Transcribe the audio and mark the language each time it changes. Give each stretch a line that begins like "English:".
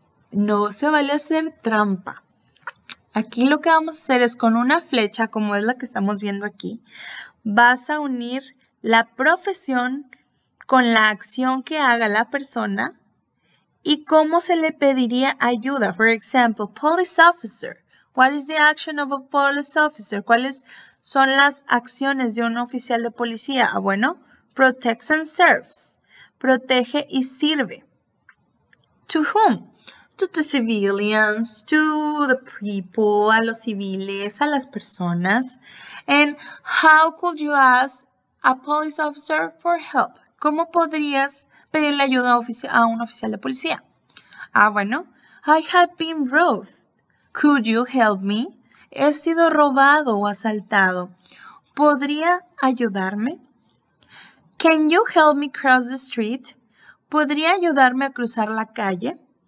Spanish: No se vale hacer trampa. Aquí lo que vamos a hacer es con una flecha, como es la que estamos viendo aquí, vas a unir la profesión con la acción que haga la persona y cómo se le pediría ayuda.
English: For example, police officer. What is the action of a police officer?
Spanish: ¿Cuáles son las acciones de un oficial de policía?
English: Ah, bueno, protects and serves. Protege y sirve. To whom? To the civilians, to the people, a los civiles, a las personas. And how could you ask a police officer for help?
Spanish: ¿Cómo podrías pedirle ayuda a un oficial de policía?
English: Ah, bueno, I have been robbed. Could you help me?
Spanish: He sido robado o asaltado. ¿Podría ayudarme?
English: Can you help me cross the street? ¿Podría ayudarme a cruzar la calle?